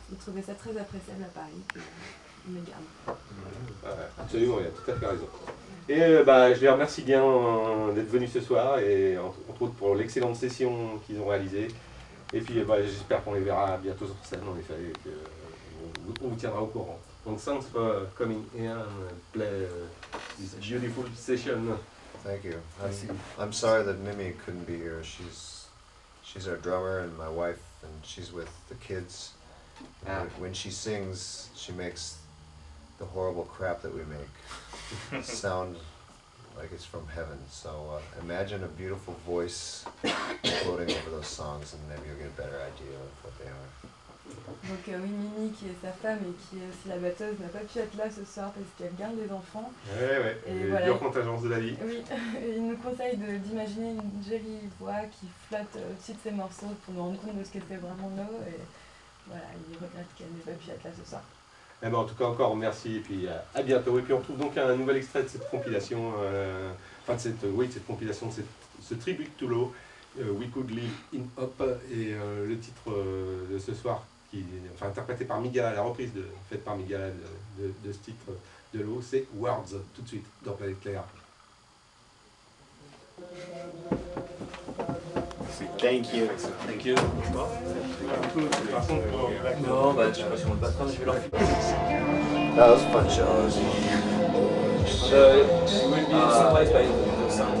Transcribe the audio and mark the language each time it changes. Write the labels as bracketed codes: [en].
[fr] Vous trouvez ça très appréciable à Paris. Il me garde. Absolument, il a tout à fait raison. Et je les remercie bien d'être venus ce soir, et entre autres pour l'excellente session qu'ils ont réalisée. Et puis j'espère qu'on les verra bientôt sur scène. En effet, on vous tiendra au courant. [en] Donc, thanks for coming here and play this beautiful session. Thank you. I'm sorry that Mimi couldn't be here. She's our drummer and my wife, and she's with the kids. And when she sings, she makes the horrible crap that we make sound like it's from heaven. So imagine a beautiful voice floating over those songs, and maybe you'll get a better idea of what they are. [fr] Donc oui, Mimi, qui est sa femme et qui est aussi la batteuse, n'a pas pu être là ce soir parce qu'elle garde les enfants. Ouais, ouais, et voilà. Dure contingence de la vie. Oui, et il nous conseille d'imaginer une jolie voix qui flotte au-dessus de ses morceaux pour nous rendre compte de ce qu'elle fait vraiment nous. Et voilà, il regrette qu'elle n'ait pas pu être là ce soir. Eh ben, en tout cas, encore merci et puis à bientôt. Et puis on retrouve donc un nouvel extrait de cette compilation, enfin de cette, oui, de cette compilation, de ce tribute to Lou, We Could Live in Hope, et le titre de ce soir. Enfin, interprété par Miguel, la reprise faite par Miguel de ce titre de Lou, c'est Words, tout de suite, dans Planète Claire. [en] Thank you. Thank you. [fr] Non, bah, je sais pas si on le passe, je vais leur filer. [en] That was a bunch of us. So, we will be surprised by the sound.